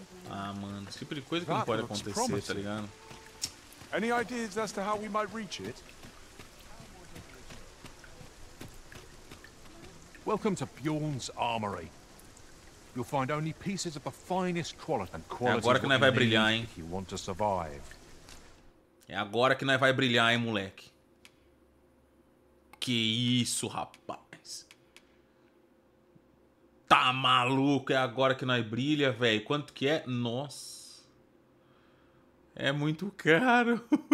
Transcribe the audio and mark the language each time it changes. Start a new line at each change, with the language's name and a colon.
Portuguese: Ah, mano, esse tipo de coisa que não pode acontecer, tá ligado?
English: Any ideas as to how we might reach it? Welcome to Bjorn's Armory. You'll find only pieces of the finest quality.
Portuguese: Agora que nós vai brilhar, hein?
English: You want to survive.
Portuguese: É agora que nós vai brilhar, hein, moleque? Que isso, rapaz? Tá maluco, é agora que nós brilha, velho. Quanto que é? Nossa. É muito caro.